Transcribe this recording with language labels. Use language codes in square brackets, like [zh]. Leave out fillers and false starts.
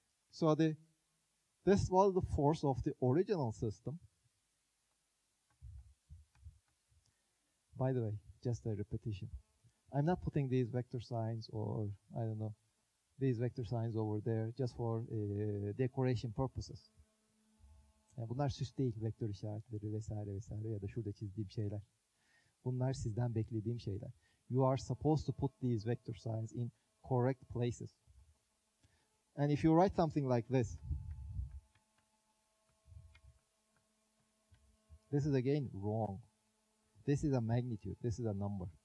[en] So this was the force of the original system. By the way, just a repetition. I'm not putting these vector signs or, I don't know, these vector signs over there just for decoration purposes. [tr] Yani bunlar süs değil, vektör işaretleri vesaire vesaire ya da şurada çizdiğim şeyler. Bunlar sizden beklediğim şeyler. [en] You are supposed to put these vector signs in correct places. And if you write something like this, this is again wrong. This is a magnitude. This is a number.